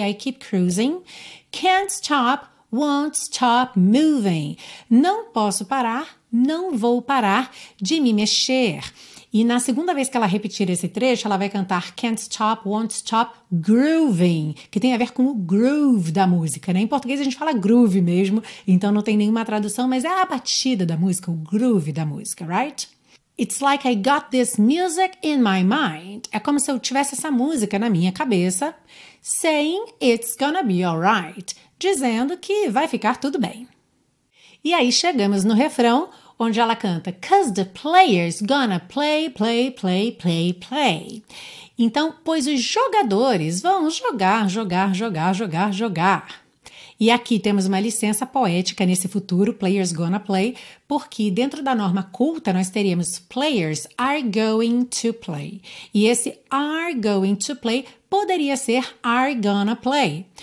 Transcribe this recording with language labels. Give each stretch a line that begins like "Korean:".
English: I keep cruising. Can't stop, won't stop moving.
Portuguese: Não posso parar, não vou parar de me mexer. E na segunda vez que ela repetir esse trecho, ela vai cantar
English: Can't Stop, Won't Stop Grooving,
Portuguese: que tem a ver com o groove da música, né? Em português a gente fala groove mesmo, então não tem nenhuma tradução, mas é a batida da música, o groove da música, right? It's like I got this music in my mind. É como se eu tivesse essa música na minha cabeça,
English: saying it's gonna be alright,
Portuguese: dizendo que vai ficar tudo bem. E aí chegamos no refrão, onde ela canta,
English: 'cause the players gonna play, play, play, play, play.
Portuguese: Então, pois os jogadores vão jogar, jogar, jogar, jogar, jogar. E aqui temos uma licença poética nesse futuro,
English: players gonna play,
Portuguese: porque dentro da norma culta nós teríamos
English: players are going to play.
Portuguese: E esse
English: are going to play
Portuguese: poderia ser
English: are gonna play.